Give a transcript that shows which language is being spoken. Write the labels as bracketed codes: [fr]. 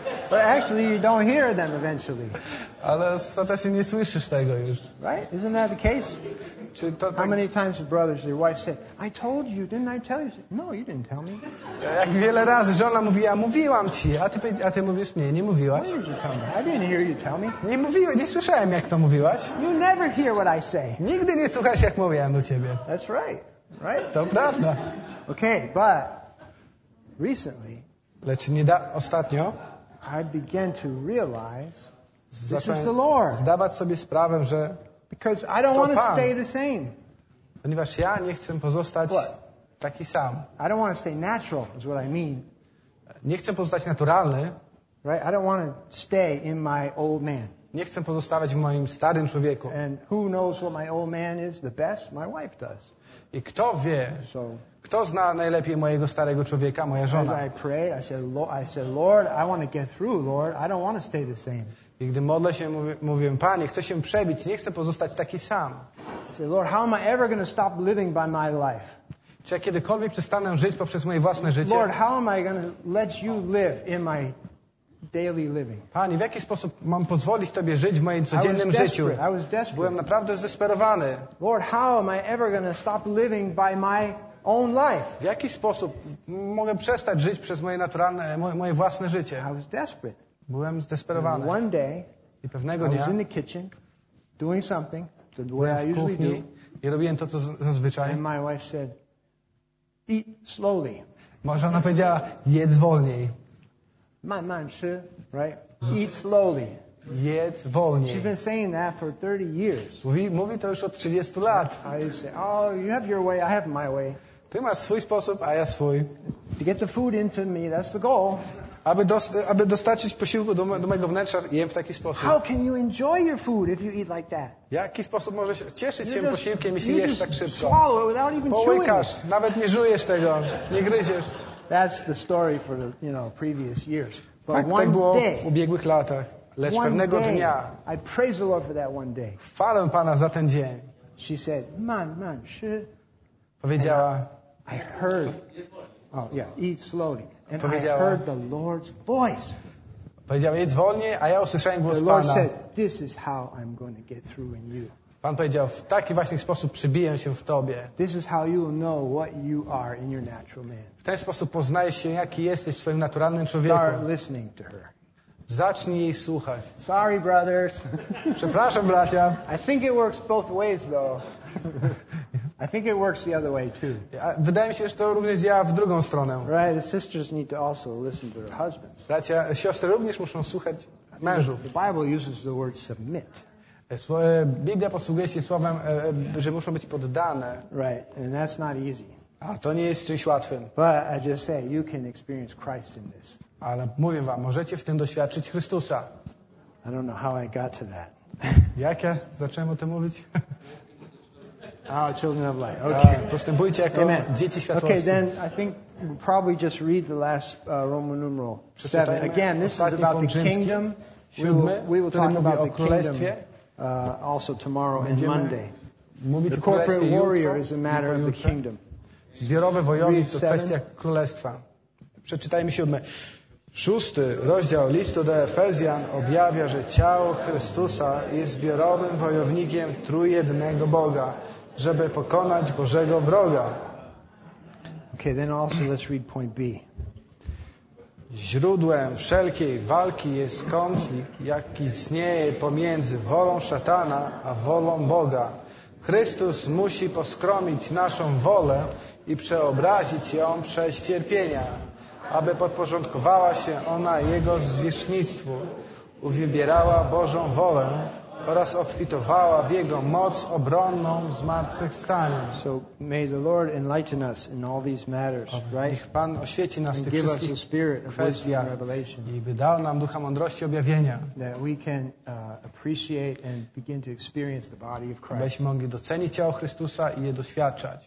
[en] But actually, you don't hear them eventually. [pl] Ale ostatecznie nie słyszysz tego już. [en] Right? Isn't that the case? [pl] Czy to tak... [en] How many times have brothers, your wife said, I told you, didn't I tell you? No, you didn't tell me. [pl] Jak wiele razy żona mówiła, mówiłam ci, a ty mówisz, nie mówiłaś. [en] Why did you tell me? I didn't hear you tell me. [pl] Nie mówiłem, nie słyszałem, jak to mówiłaś. [en] You never hear what I say. [pl] Nigdy nie słuchasz, jak mówiłem do ciebie. [en] That's right, right? [pl] To prawda. [en] Okay, but recently... [pl] Lecz nie da... ostatnio... [en] I began to realize this is the Lord. [pl] Zdawać sobie sprawę, że [en] because I don't want to stay the same. [pl] Ponieważ ja nie chcę pozostać taki sam. [en] I don't want to stay natural, is what I mean. [pl] Nie chcę pozostać naturalny. [en] Right? I don't want to stay in my old man. [pl] Nie chcę pozostawać w moim starym człowieku. [en] And who knows what my old man is the best? My wife does. [pl] I kto wie? So, kto zna najlepiej mojego starego człowieka? Moja żona. [en] As I pray, I said, Lord, I want to get through, Lord. I don't want to stay the same. [pl] I gdy modlę się, mówię, Panie, chcę się przebić, nie chcę pozostać taki sam. [en] I said, Lord, how am I ever going to stop living by my life? [pl] Czy ja kiedykolwiek przestanę żyć poprzez moje własne życie? [en] Lord, how am I going to let you live in my daily living? [pl] Panie, w jaki sposób mam pozwolić Tobie żyć w moim codziennym życiu? [en] I was desperate. [pl] Byłem naprawdę zdesperowany. [en] Lord, how am I ever going to stop living by my own life? [pl] W jaki sposób mogę przestać żyć przez moje naturalne, moje własne życie? [en] I was desperate. [pl] Byłem zdesperowany. [en] And one day, [pl] i pewnego dnia, [en] I was in the kitchen doing something the way I usually do. [pl] I robiłem to, co zazwyczaj. [en] And my wife said, eat slowly. [pl] Może ona powiedziała, jedz wolniej. [en] Man吃, right? Eat slowly. [pl] Jedz wolniej. [en] She's been saying that for 30 years. [pl] Mówi to już od 30 lat. [en] I say, oh, you have your way, I have my way. [pl] Ty masz swój sposób, a ja swój. [en] To get the food into me, that's the goal. [pl] Aby dostarczyć posiłku do mojego wnętrza, jem w taki sposób. [en] How can you enjoy your food if you eat like that? [pl] W jaki sposób możesz cieszyć się posiłkiem, jeśli [en] you [pl] jesz [en] just [pl] tak szybko? [en] Swallow it without even [pl] połykasz, [en] chewing. [pl] Nawet nie żujesz tego, nie gryziesz. [en] That's the story for the, you know, previous years. But [pl] tak, one tak było day, w ubiegłych latach, lecz [en] one [pl] pewnego [en] day, [pl] dnia. [en] I praise the Lord for that one day. [pl] Chwalę Pana za ten dzień. [en] She said, man, she... [pl] Powiedziała, [en] I heard, oh yeah, eat slowly. And I heard the Lord's voice. [pl] Powiedział, jedz wolniej, a ja usłyszałem głos [en] the Lord [pl] Pana. [en] Said, this is how I'm going to get through in you. [pl] Pan powiedział, w taki właśnie sposób przebiję się w tobie. [en] This is how you will know what you are in your natural man. [pl] W ten sposób poznajesz się, jaki jesteś w swoim naturalnym człowieku. [en] Start listening to her. [pl] Zacznij jej słuchać. [en] Sorry, brothers. [pl] Przepraszam, bracia. [en] I think it works both ways, though. I think it works the other way too. [pl] Wydaje mi się, że to również działa w drugą stronę. [en] Right, the sisters need to also listen to their husbands. [pl] Bracia, siostry również muszą słuchać mężów. [en] The Bible uses the word submit. [pl] Biblia posługuje się słowem, że muszą być poddane. [en] Right, and that's not easy. [pl] A to nie jest czymś łatwym. [en] But I just say, you can experience Christ in this. [pl] Ale mówię wam, możecie w tym doświadczyć Chrystusa. [en] I don't know how I got to that. [pl] Jak ja zacząłem o tym mówić? [en] Oh, children of light. Okay. [pl] Postępujcie jako [en] Amen. [pl] Dzieci światłości. [en] Okay, then I think we'll probably just read the last Roman numeral 7. Again, this is about the kingdom. We will talk about the kingdom also tomorrow and Monday. [pl] Mówić [en] the corporate warrior is a matter [pl] jutro. [en] Of the kingdom. [pl] Zbiorowy wojownik to kwestia królestwa. Przeczytajmy 7. Szósty rozdział listu do Efezjan objawia, że ciało Chrystusa jest zbiorowym wojownikiem trójjednego Boga, żeby pokonać Bożego wroga. Okay, then also let's read point B. Źródłem wszelkiej walki jest konflikt, jaki istnieje pomiędzy wolą szatana a wolą Boga. Chrystus musi poskromić naszą wolę i przeobrazić ją przez cierpienia, aby podporządkowała się ona Jego zwierzchnictwu, uwybierała Bożą wolę oraz obfitowała w Jego moc obronną w zmartwychwstaniu. [en] So may the Lord enlighten us in all these matters, right? [pl] Niech Pan oświeci nas w tych wszystkich kwestiach [en] revelation. [pl] I by dał nam ducha mądrości objawienia. [en] That we can appreciate and begin to experience the body of Christ. [pl] Abyśmy mogli docenić ciało Chrystusa i je doświadczać.